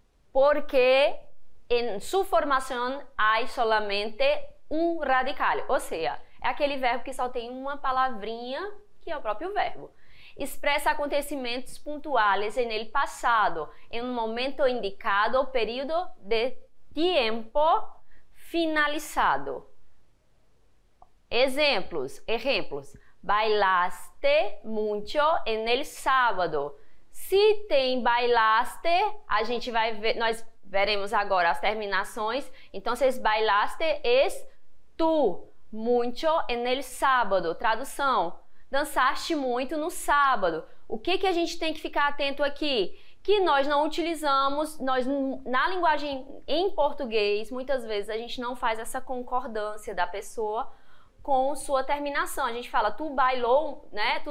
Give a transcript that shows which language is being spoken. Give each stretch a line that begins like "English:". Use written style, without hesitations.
Portuguese: Porque em sua formação há somente um radical, ou seja, é aquele verbo que só tem uma palavrinha, que é o próprio verbo. Expressa acontecimentos pontuais en el passado, em um momento indicado, o período de tempo finalizado. Exemplos.
Spanish: Bailaste mucho en el sábado.
Portuguese: Se tem bailaste, a gente vai ver, nós veremos agora as terminações. Então, se
Spanish: bailaste es tu mucho en el sábado.
Portuguese: Tradução: dançaste muito no sábado. O que que a gente tem que ficar atento aqui? Que nós não utilizamos, nós na linguagem em português, muitas vezes a gente não faz essa concordância da pessoa com sua terminação. A gente fala tu bailou, né?